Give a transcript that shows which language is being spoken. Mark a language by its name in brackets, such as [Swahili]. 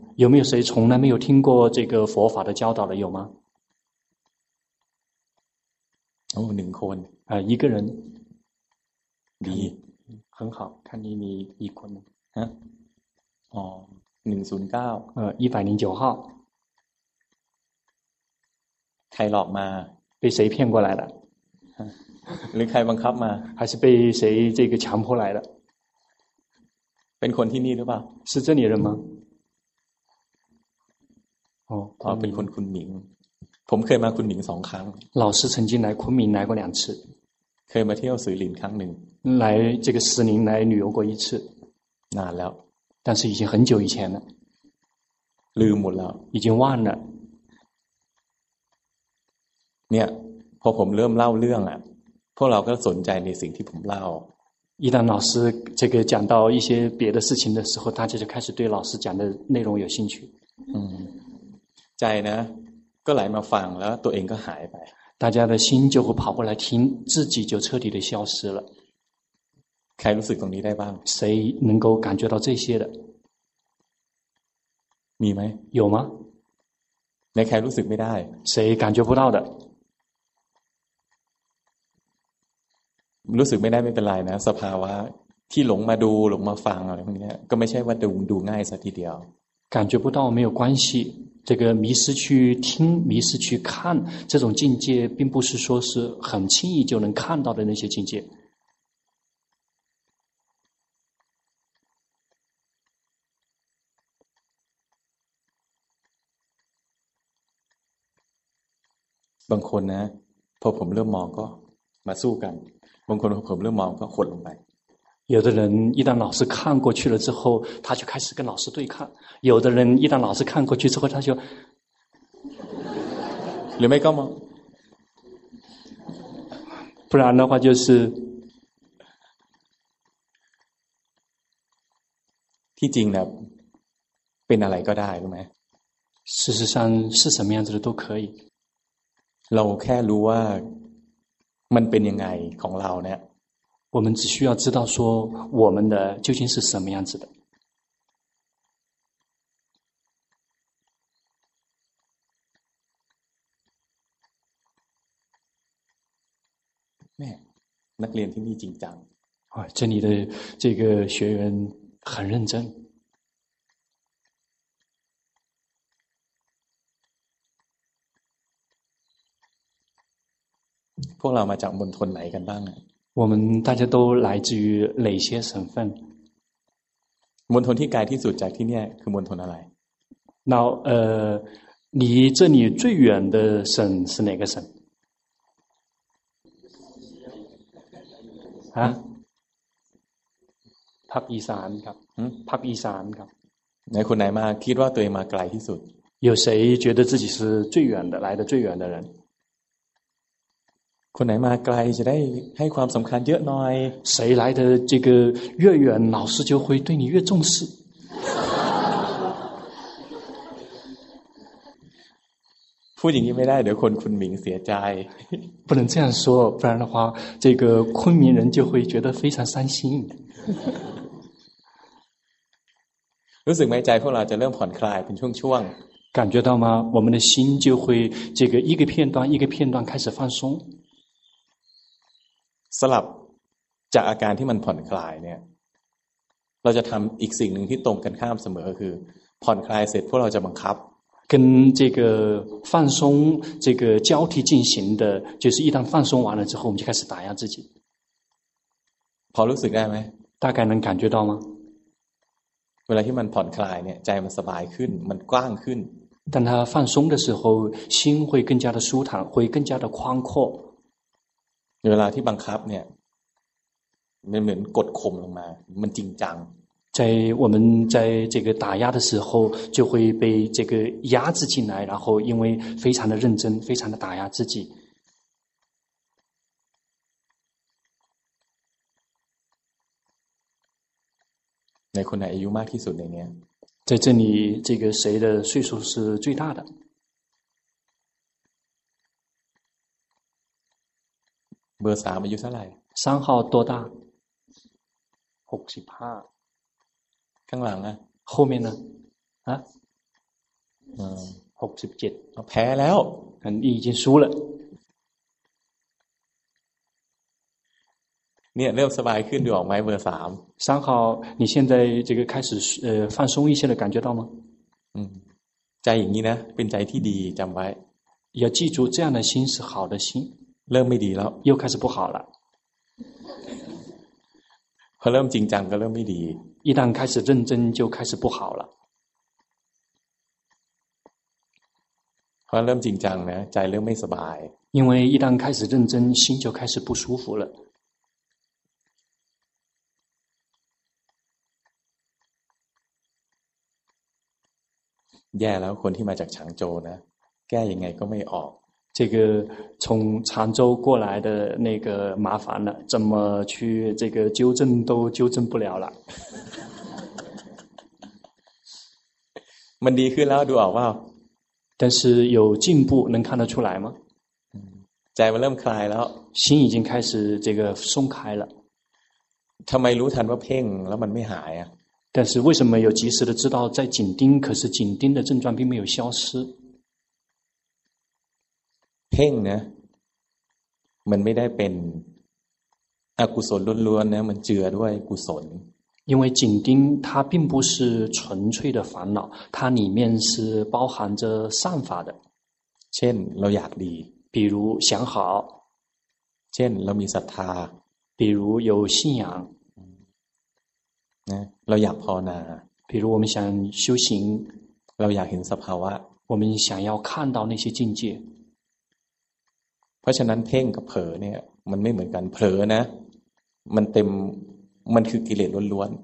[Chinese] 有没有谁从来没有听过这个佛法的教导的有吗 [Thai] 哦หนึ่งคน [Chinese] 一个人 [Thai] ดี [Chinese] 很好看你 [Thai] มีอีกคน ฮะอ๋อ109 [Chinese] 109号 [Thai] ใครหลอกมา [Chinese] 被谁骗过来的 [Thai] หรือใครบังคับมา [Chinese] 还是被谁这个强迫来的 [Thai] เป็นคนที่นี่หรือเปล่า [Chinese] 是这里人吗 [Thai] เป็นคนคุณหมิงผมเคยมาคุณหมิงสองครั้ง [Chinese] 老师曾经来昆明来过两次 [Thai] เคยมาเที่ยวสุรินทร์ครั้งหนึ่ง [Chinese] 来这个士林来旅游过一次 [Thai] นานแล้ว [Chinese] 但是已经很久以前了 [Thai] ลืมหมดแล้ว [Chinese] 已经忘了 [Thai] เนี่ยพอผมเริ่มเล่าเรื่องอ่ะพวกเราก็สนใจในสิ่งที่ผมเล่า [Chinese] 一旦老师这个讲到一些别的事情的时候大家就开始对老师讲的内容有兴趣在呢 [Thai] ก็来มาฟังแล้วตัวเองก็หายไป [Chinese] 大家的心就会跑过来听自己就彻底的消失了 [Thai] ใครรู้สึกตรงนี้ได้บ้าง [Chinese] 谁能够感觉到这些的 [Thai] มีไหม [Chinese] 有吗 [Thai] ในใครรู้สึกไม่ได้ [Chinese] 谁感觉不到的 [Thai] รู้สึกไม่ได้ไม่เป็นไรนะสภาวะที่หลงมาดูหลงมาฟังอะไรพวกนี้ก็ไม่ใช่ว่าดูง่ายซะทีเดียว [Chinese] 感觉不到没有关系这个迷失去听迷失去看这种境界并不是说是很轻易就能看到的那些境界 [Thai] บางคนนะพอผมเริ่มมองก็มาสู้กันบางคนพอผมเริ่มมองก็หดลงไป [Chinese] 有的人一旦老师看过去了之后他就开始跟老师对抗有的人一旦老师看过去之后他就有没有吗不然的话就是 [Thai] ที่จริงเป็นอะไรก็ได้ใช่ไหม [Chinese] 事实上是什么样子的都可以 [Thai] เราแค่รู้ว่ามันเป็นยังไงของเราเนี่ย [Chinese] 我们只需要知道说我们的究竟是什么样子的 [Thai] แม่นักเรียนที่นี่จริงจัง [Chinese] 这里的这个学员很认真 [Thai] พวกเรามาจากมณฑลไหนกันบ้างอ่ะ [Chinese] 我们大家都来自于哪些省份 [Thai] มณฑลที่ไกลที่สุดจากที่นี่คือมณฑลอะไร [Chinese] 那离这里最远的省是哪个省啊 [Thai] ภาคอีสานครับภาคอีสานครับ ไหนคนไหนมาคิดว่าตัวเองมาไกลที่สุด [Chinese] 有谁觉得自己是最远的来的最远的人 [Thai] คนไหนมาไกลจะได้ให้ความสำคัญเยอะหน่อย [Chinese] 谁来的这个越远老师就会对你越重视 [Thai] พูดอย่างนี้ไม่ได้เดี๋ยวคนคุณหมิงเสียใจ [Chinese] 不能这样说不然的话这个昆明人就会觉得非常伤心 [Thai] รู้สึกไหมใจพวกเราจะเริ่มผ่อนคลายเป็นช่วง [Chinese] ๆ感觉到吗我们的心就会这个一个片段一个片段开始放松 [Thai] สลับจากอาการที่มันผ่อนคลายเนี่ยเราจะทำอีกสิ่งหนึ่งที่ตรงกันข้ามเสมอคือผ่อนคลายเสร็จพวกเราจะบังคับ [Chinese] 跟这个放松这个交替进行的就是一旦放松完了之后我们就开始打压自己 [Thai] พอรู้สึกได้ไหม [Chinese] 大概能感觉到吗 [Thai] เวลาที่มันผ่อนคลายเนี่ยใจมันสบายขึ้นมันกว้างขึ้น [Chinese] 当它放松的时候心会更加的舒坦会更加的宽阔 [Thai] เวลาที่บังคับเนี่ยมันเหมือนกดข่มลงมามันจริงจัง [Chinese] 在我们在这个打压的时候就会被这个压制进来然后因为非常的认真非常的打压自己 [Thai] ในคนไหนอายุมากที่สุดในเนี้ย [Chinese] 在这里这个谁的岁数是最大的 [Thai] เบอร์สามอายุเท่าไหร่สามขาวตัวตา หกสิบห้า ข้างหลังนะ โคเมนนะฮะ หกสิบเจ็ด แพ้แล้ว ฉันอีจินซู้ละ เนี่ยเริ่มสบายขึ้นดูออกไหมเบอร์สาม [Chinese] สามขาว你现在这个开始放松一些的感觉到吗 [Thai] ใจอย่างนี้นะเป็นใจที่ดีจำไว้ [Chinese] 要记住这样的心是好的心 [Thai] เริ่มไม่ดีแล้ว [Chinese] 又开始不好了 [Thai] พอเริ่มจริงจังก็เริ่มไม่ดี [Chinese] 一旦开始认真就开始不好了 [Thai] พอเริ่มจริงจังนะใจเริ่มไม่สบาย [Chinese] 因为一旦开始认真心就开始不舒服了 [Thai] แย่แล้วคนที่มาจากฉางโจวนะแก้ยังไงก็ไม่ออก [Chinese] 这个从常州过来的那个麻烦了怎么去这个纠正都纠正不了了 [Thai] มันดีขึ้นแล้วดูออกเปล่า [Chinese] 但是有进步能看得出来吗？在我那么开了，心已经开始这个松开了。 [Thai] ทำไมรู้ทันว่าเพ่งแล้วมันไม่หายอ่ะ？ [Chinese] 但是为什么有及时的知道在紧盯，可是紧盯的症状并没有消失？ [Thai] เพ่งนะ，มันไม่ได้เป็นอกุศลล้วนๆนะ，มันเจือด้วยกุศล。 [Chinese] 因为紧盯它并不是纯粹的烦恼，它里面是包含着善法的。 [Thai] เช่นเราอยากดี， [Chinese] 比如想好。 [Thai] เช่นเรามีศรัทธา， [Chinese] 比如有信仰。 [Thai] นะเราอยากภาวนา， [Chinese] 比如我们想修行。 [Thai] เราอยากเห็นสภาวะ， [Chinese] 我们想要看到那些境界。 [Thai] เพราะฉะนั้นเพ่งกับเผลอเนี่ยมันไม่เหมือนกันเผลอนะมันเต็มมันคือกิเลสล้วน